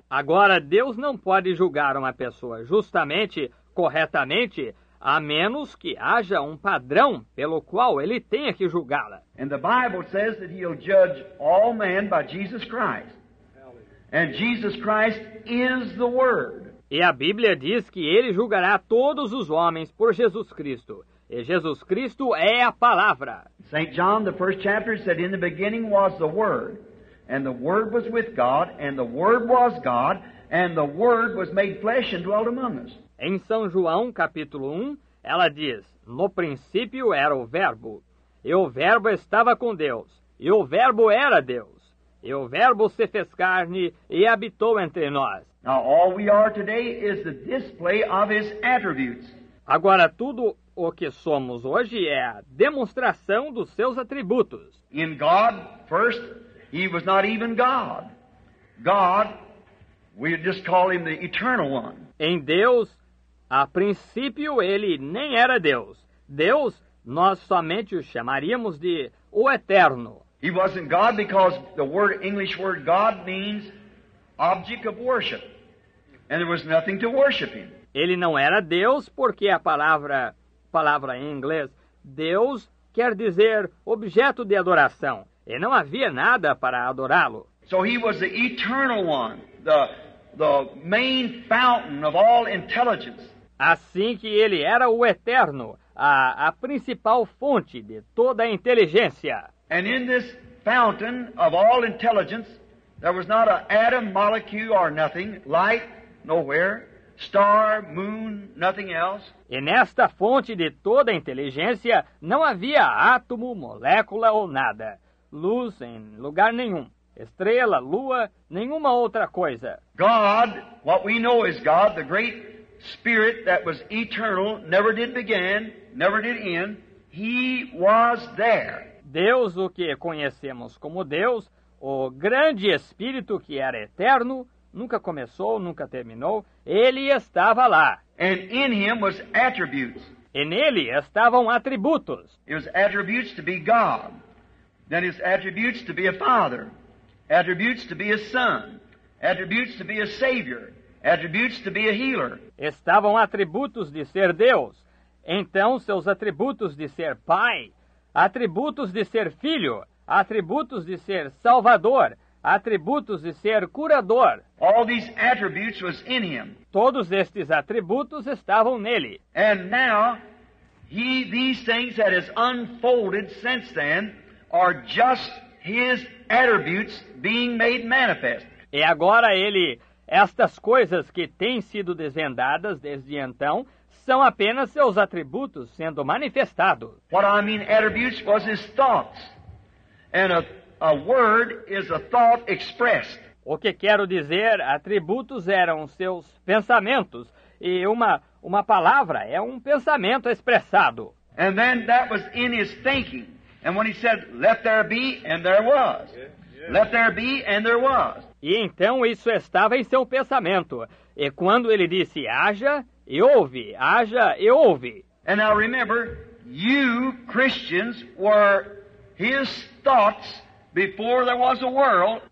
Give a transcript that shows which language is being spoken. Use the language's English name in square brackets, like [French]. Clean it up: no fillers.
[Portuguese] Agora, Deus não pode julgar uma pessoa justamente, corretamente, a menos que haja um padrão pelo qual ele tenha que julgá-la. [English] And the Bible says that he'll judge all men by Jesus Christ. And Jesus Christ is the Word. [Portuguese] E a Bíblia diz que ele julgará todos os homens por Jesus Cristo. E Jesus Cristo é a palavra. [English] St. John, the first chapter, said, "In the beginning was the Word, and the Word was with God, and the Word was God, and the Word was made flesh and dwelt among us." [Portuguese] Em São João, capítulo 1, ela diz, "No princípio era o Verbo, e o Verbo estava com Deus, e o Verbo era Deus, e o Verbo se fez carne e habitou entre nós." [English] Now all we are today is the display of His attributes. [Portuguese] Agora tudo o que somos hoje é a demonstração dos seus atributos. [English] In God, first, He was not even God. God, we just call Him the Eternal One. [Portuguese] Em Deus, a princípio Ele nem era Deus. Deus, nós somente o chamaríamos de o Eterno. [English] He wasn't God because the word, English word God means object of worship. And there was nothing to worship Him. [Portuguese] Ele não era Deus porque a palavra em inglês, Deus, quer dizer objeto de adoração. E não havia nada para adorá-lo. [English] So He was the Eternal One, the main fountain of all intelligence. [Portuguese] Assim que Ele era o Eterno, a principal fonte de toda a inteligência. [English] And in this fountain of all intelligence, there was not an atom, molecule, or nothing, light, nowhere. Star, moon, nothing else. [Portuguese] E nesta fonte de toda a inteligência, não havia átomo, molécula ou nada. Luz em lugar nenhum. Estrela, lua, nenhuma outra coisa. [English] God, what we know is God, the great spirit that was eternal, never did begin, never did end, He was there. [Portuguese] Deus, o que conhecemos como Deus, o grande espírito que era eterno, nunca começou, nunca terminou. Ele estava lá. [English] And in Him was attributes. [Portuguese] E nele estavam atributos. [English] It was attributes to be God. Then His attributes to be a Father. Attributes to be a Son. Attributes to be a Savior. Attributes to be a Healer. [Portuguese] Estavam atributos de ser Deus. Então, seus atributos de ser Pai. Atributos de ser Filho. Atributos de ser Salvador. Atributos de ser curador. [English] All these attributes was in Him. [Portuguese] Todos estes atributos estavam nele. [English] And now, these things that has unfolded since then are just His attributes being made manifest. [Portuguese] E agora Ele, estas coisas que têm sido desvendadas desde então, são apenas seus atributos sendo manifestados. [English] What I mean attributes was His thoughts. And a word is a thought expressed. [Portuguese] O que quero dizer, atributos eram seus pensamentos. E uma palavra é um pensamento expressado. [English] And then that was in His thinking. And when He said, "Let there be," and there was. Let there be, and there was. [Portuguese] E então isso estava em seu pensamento. E quando Ele disse, "Haja e houve, haja e houve." [English] And now remember, you Christians were His thoughts before there was a world.